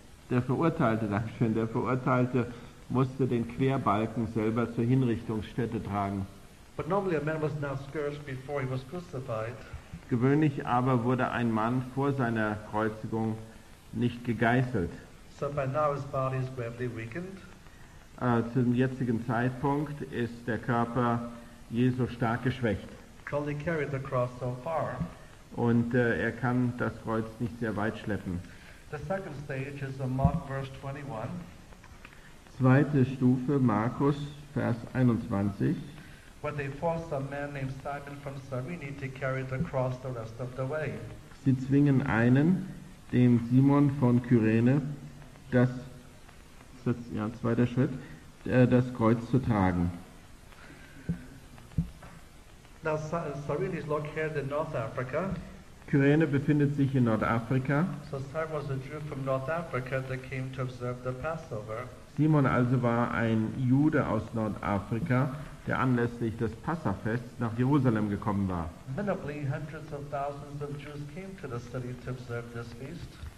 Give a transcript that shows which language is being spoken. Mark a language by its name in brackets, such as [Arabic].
[German] Der Verurteilte musste den Querbalken selber zur Hinrichtungsstätte tragen. [English] But normally a man was not scourged before he was crucified. [German] Gewöhnlich aber wurde ein Mann vor seiner Kreuzigung nicht gegeißelt. [English] So by now his body is greatly weakened. [German] Zu dem jetzigen Zeitpunkt ist der Körper Jesu stark geschwächt. [English] Could he carry the cross so far? [German] Und er kann das Kreuz nicht sehr weit schleppen. [English] The second stage is in Mark verse 21. [German] Zweite Stufe, Markus, Vers 21. [English] when they forced a man named Simon from Cyrene to carry the cross the rest of the way. [German] Sie zwingen einen, dem Simon von Kyrene, das Kreuz zu tragen. [English] Now, Cyrene is located in North Africa. [German] Kyrene befindet sich in Nordafrika. [English] So Simon was a Jew from North Africa that came to observe the Passover. [German] Simon also war ein Jude aus Nordafrika, der anlässlich des Passafest nach Jerusalem gekommen war. [English] Minimally, hundreds of thousands of Jews came to the city to observe this feast.